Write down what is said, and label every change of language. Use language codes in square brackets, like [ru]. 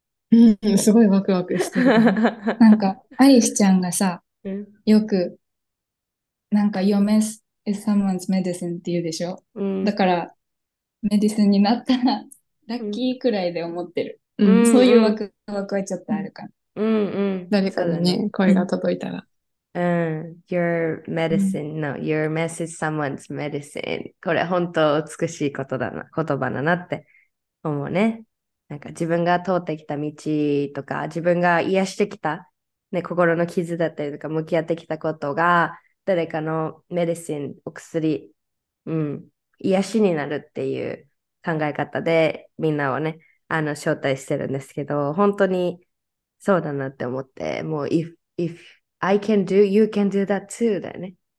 [ja] うん、すごいワクワクしてる。なんか、アイシちゃんがさ、よく、なんか、 [en] Your mess is someone's medicine [ja] って言うでしょ、うん、だから、メディスンになったら、ラッキーくらいで思ってる。うん、そういうワクワクはちょっとあるか。うんうん、誰かのね、声が届いたら。 [en] Your medicine, no, your mess is someone's medicine. [ja] これ本当美しいことだな、言葉だなって思うね。なんか自分が通ってきた道とか、自分が癒してきた、ね、心の傷だったりとか、向き合ってきたことが、誰かのメディシン、お薬、うん、癒しになるっていう考え方で、みんなをね、招待してるんですけど、本当にそうだなって思って、もう、 [en] if I can do, you can do that too [ja] だよね。